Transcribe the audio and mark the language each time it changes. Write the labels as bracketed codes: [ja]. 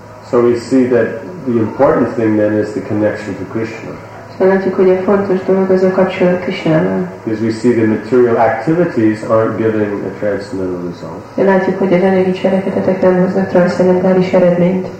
[en] So we see that the important thing then is the connection to Krishna. [hu] Szóval látjuk, hogy a fontos dolog az a kapcsolat Krishnával. [en] Because we see the material activities aren't giving a transcendental result. [hu] De látjuk, hogy az anyagi cselekedetek nem hoznak transzcendentális eredményt.